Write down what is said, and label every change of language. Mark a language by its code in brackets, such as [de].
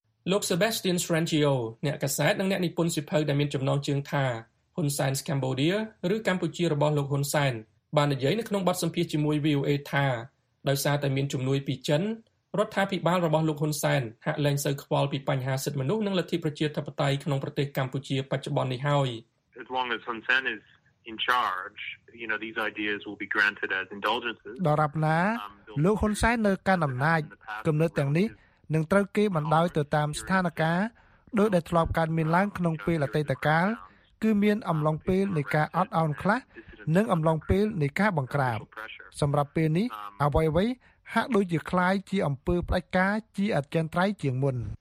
[km] លោក Sebastian Strangio អ្នកកាសែតនិងអ្នកនិពន្ធសិភៅដែលមានចំណងជើងថា Hun Sen's Cambodia ឬកម្ពុជារបស់លោក Hun Sen បាននិយាយនៅក្នុងបទសម្ភាសន៍ជាមួយ VOA ថាដោយសារតែមានជំនួយពីចិនរដ្ឋាភិបាលរបស់លោក Hun Sen ហាក់លែងសូវខ្វល់ពីបញ្ហាសិទ្ធិមនុស្សនិងលទ្ធិប្រជាធិបតេយ្យក្នុងប្រទេសកម្ពុជាបច្ចុប្បន្ននេះហើយ [en] As long as Hun Sen is in charge you know these ideas will be granted as indulgences [km] ដរាបណាលោក Hun Sen នៅកាន់អំណាចគំនិតទាំងនេះនឹងត្រូវគេបណ្ដោយទៅតាមស្ថានភាពដោយដែលធ្លាប់កើតមានឡើងក្នុងពេលអតីតកាលគឺមានអំឡុងពេលនៃការអត់អោនខ្លះនិងអំឡុងពេលនៃការបង្ក្រាបសម្រាប់ពេលនេះអ្វីៗហាក់ដូចជា [th] คล้าย [km] ជាអំពើផ្ដាច់ការជាអចិន្ត្រៃយ៍ជាងមុន